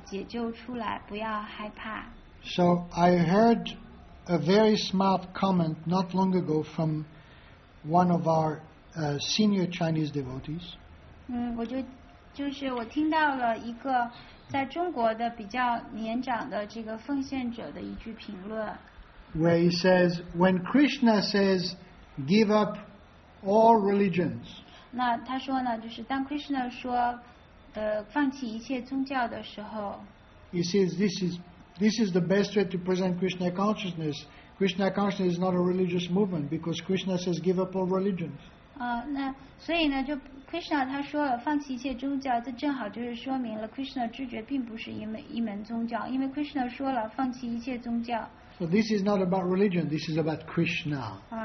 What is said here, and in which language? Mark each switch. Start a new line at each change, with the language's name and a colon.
Chinese: 那在这里呢，就是说，这是在《博迦梵歌》的第十八章六十六世节的那个世节，就是放弃一切宗教，直接的皈依我，我会把你从所有的恶报反应中解救出来，不要害怕。
English: So I heard a very smart comment not long ago from one of our senior Chinese devotees.
Chinese: 就是我听到了一个在中国的比较年长的这个奉献者的一句评论。
English: Where he says, when Krishna says, give up all religions.
Chinese: 那他说呢，就是当Krishna说，放弃一切宗教的时候。
English: He says, this is the best way to present Krishna consciousness. Krishna consciousness is not a religious movement because Krishna says, give up all religions.
Chinese: 那所以呢，就 Krishna 他说了，放弃一切宗教，这正好就是说明了 Krishna 拒绝并不是一门宗教，因为 Krishna 说了放弃一切宗教。
English: So this is not about religion, this is about Krishna.